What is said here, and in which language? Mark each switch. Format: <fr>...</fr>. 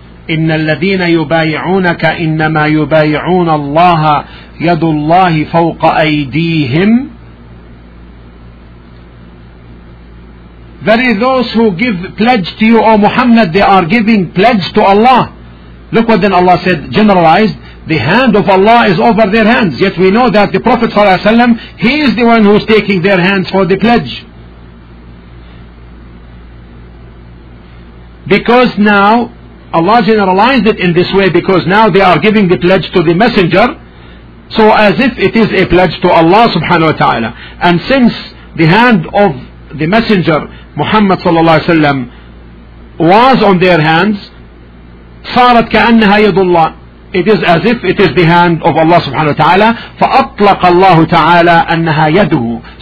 <ar>إن الذين يبايعونك إنما يبايعون الله يد الله فوق أيديهم.</ar> <en>There is those who give pledge to you, O Muhammad, they are giving pledge to Allah. Look what then Allah said, generalized, the hand of Allah is over their hands. Yet we know that the Prophet ﷺ, he is the one who is taking their hands for the pledge. Because now, Allah generalized it in this way, because now they are giving the pledge to the messenger, so as if it is a pledge to Allah subhanahu wa ta'ala. And since the hand of the messenger Muhammad sallallahu alayhi wa sallam was on their hands,</en> <ar>صارت كأنها يد الله,</ar> <en>it is as if it is the hand of Allah subhanahu wa ta'ala.</en> <ar>فأطلق الله تعالى أنها يده.</ar>